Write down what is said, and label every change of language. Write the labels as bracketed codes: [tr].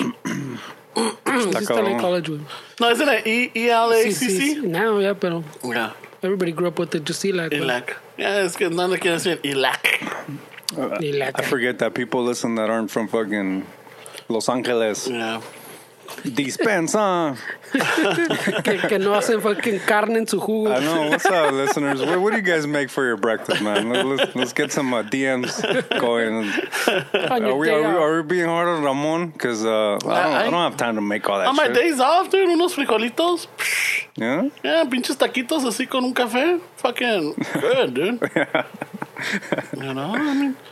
[en] East LA College. No, isn't it ELACC? Now, yeah, pero. Yeah. Everybody grew up with it, just ILAC. ILAC. Yeah, it's good. None of the kids say ILAC. ILAC. I forget that people listen that aren't from fucking Los Angeles. Yeah. [es] Dispensa. que no hacen fucking carne en su jugo. [en] I know. What's up, listeners? What do you guys make for your breakfast, man? Let's get some DMs going. Are we being hard on Ramon? Because I don't have time to make all that shit. On my days off, dude, [es] unos frijolitos. [en] Yeah? Yeah, [es] pinches taquitos así con un café. [en] Fucking good, dude. You know? I mean,